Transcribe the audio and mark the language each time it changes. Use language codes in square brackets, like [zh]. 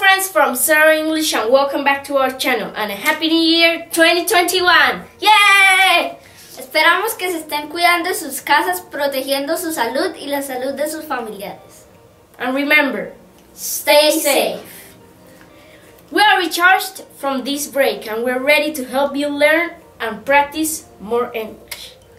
[en] from Sarah English and welcome back to our channel and a happy new year 2021. Yay! [es] Esperamos que se estén cuidando en sus casas, protegiendo su salud y la salud de sus familiares. [en] And remember, stay safe. We are recharged from this break and we're ready to help you learn and practice more English.